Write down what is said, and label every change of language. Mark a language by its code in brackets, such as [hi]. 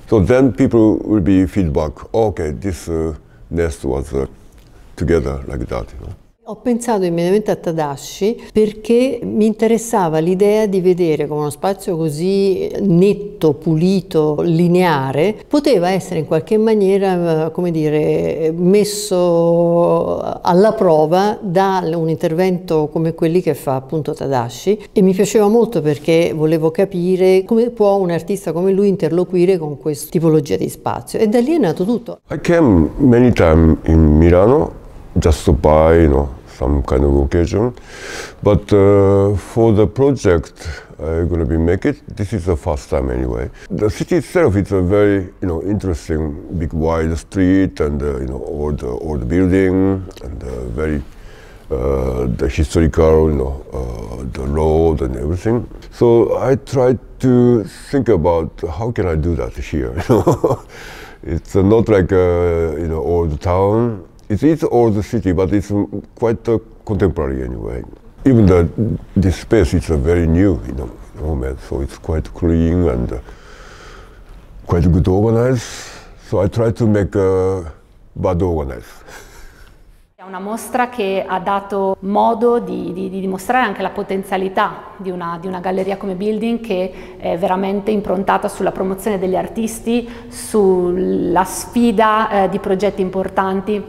[en] So then people will be feedback. Oh, okay, this. Nest was together like that, you know. [it] Ho pensato immediatamente a Tadashi perché mi interessava l'idea di vedere come uno spazio così netto, pulito, lineare, poteva essere in qualche maniera, come dire, messo alla prova da un intervento come quelli che fa appunto Tadashi, e mi piaceva molto perché volevo capire come può un artista come lui interloquire con questa tipologia di spazio, e da lì è nato tutto. [en] I came many times in Milano just to buy, you know, some kind of occasion. But for the project I'm gonna be making, this is the first time anyway. The city itself is a very, you know, interesting, big wide street and, you know, old building and very, the historical, you know, the road and everything. So I tried to think about how can I do that here, you know. It's not like, you know, old town. It is old city, but it's quite contemporary anyway. Even the this space is a very new, you know, moment, so it's quite clean and quite good organized. So I try to make bad organized. [it] Una mostra che ha dato modo di dimostrare anche la potenzialità di una galleria come Building, che è veramente improntata sulla promozione degli artisti, sulla sfida di progetti importanti.